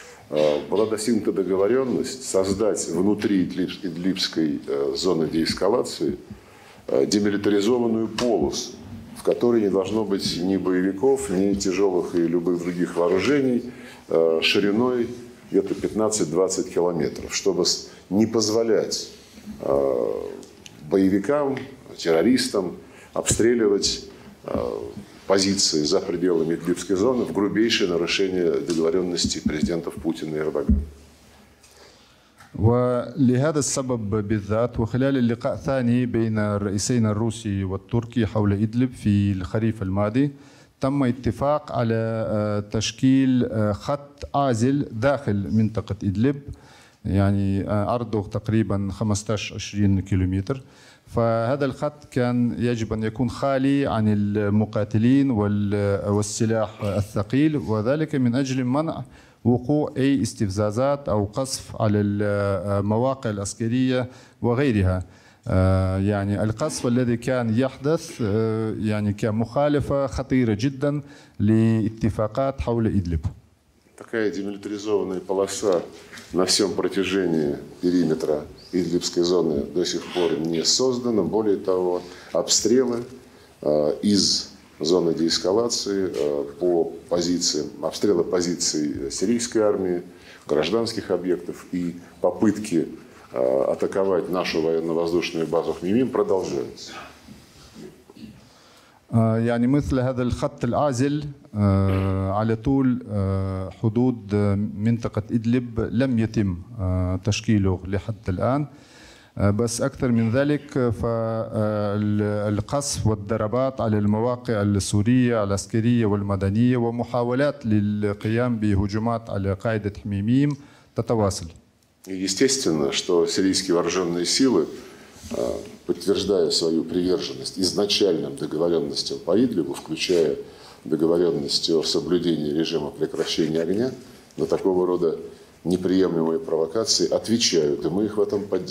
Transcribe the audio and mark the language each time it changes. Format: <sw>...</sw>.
<ru>Была достигнута договоренность создать внутри Идлибской зоны деэскалации демилитаризованную полосу, в которой не должно быть ни боевиков, ни тяжелых и любых других вооружений шириной где-то 15-20 километров, чтобы не позволять боевикам, террористам обстреливать позиции за пределами Идлибской зоны в грубейшее нарушение договоренности президентов Путина и Эрдогана.</ru> <ar>ولهذا السبب بالذات وخلال اللقاء الثاني بين الرئيسين الروسي والتركي حول إدلب في الخريف الماضي تم اتفاق على تشكيل خط عازل داخل منطقة إدلب يعني أرضه تقريبا 15-20 كيلومتر فهذا الخط كان يجب أن يكون خالي عن المقاتلين والسلاح الثقيل وذلك من أجل منع وقوع أي استفزازات أو قصف على المواقع العسكرية وغيرها يعني القصف الذي كان يحدث يعني كان مخالفة خطيرة جدا لاتفاقات حول إدلب.</ar> <ru>Такая демилитаризованная полоса на всем протяжении периметра Идлибской зоны до сих пор не создана. Более того, обстрелы из зоны деэскалации по позициям, обстрелы позиций сирийской армии, гражданских объектов и попытки атаковать нашу военно-воздушную базу Хмеймим продолжаются.</ru> <ar>يعني مثل هذا الخط العازل على طول حدود منطقة إدلب لم يتم تشكيله لحد الآن بس أكثر من ذلك فالقصف والضربات على المواقع السورية العسكرية والمدنية ومحاولات للقيام بهجمات على قاعدة حميميم تتواصل.</ar> <ru>Естественно, что сирийские вооруженные силы подтверждая свою приверженность изначальным договоренностям по Идлибу, включая договоренности о соблюдении режима прекращения огня, на такого рода неприемлемые провокации отвечают, и мы их в этом</ru>